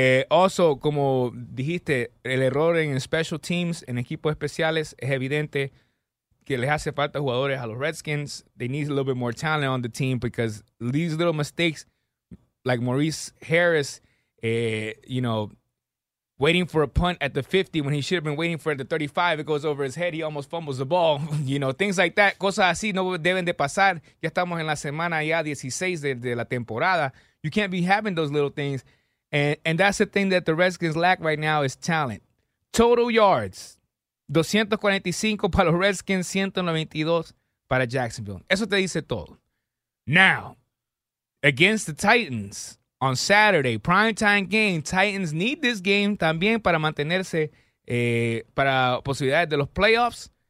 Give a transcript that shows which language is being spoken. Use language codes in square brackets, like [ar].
[es] Also, como dijiste, el error en special teams, en equipos especiales, es evidente. Que les hace falta jugadores a los Redskins. [en] They need a little bit more talent on the team because these little mistakes, like Maurice Harris, you know, waiting for a punt at the 50 when he should have been waiting for it at the 35, it goes over his head, he almost fumbles the ball. You know, things like that. [es] Cosas así no deben de pasar. Ya estamos en la semana ya 16 de la temporada. [en] You can't be having those little things. And that's the thing that the Redskins lack right now is talent. Total yards. [es] 245 para los Redskins, 192 para Jacksonville. Eso te dice todo. [en] Now, against the Titans on Saturday, primetime game, Titans need this game [es] también para mantenerse para posibilidades de los playoffs.